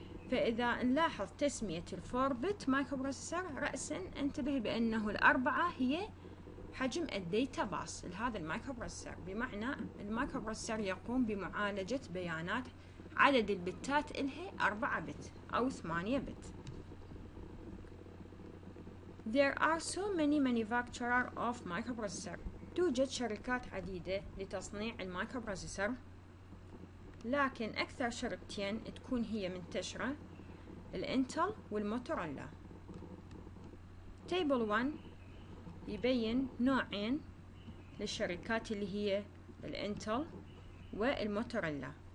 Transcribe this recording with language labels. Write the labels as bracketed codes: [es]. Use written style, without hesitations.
[ar] فإذا نلاحظ تسمية الـ 4-bit مايكروبروسيسور، رأساً انتبه بأنه الأربعة هي حجم الديتا باس لهذا المايكروبروسيسور، بمعنى المايكروبروسيسور يقوم بمعالجة بيانات عدد البتات إلها 4-bit أو 8-bit. [en] There are so many manufacturers of microprocessor. [ar] توجد شركات عديدة لتصنيع المايكروبروسيسور، لكن أكثر شركتين تكون هي منتشرة، الانتل والموتورولا. Table 1 يبين نوعين للشركات، اللي هي الانتل والموتورولا.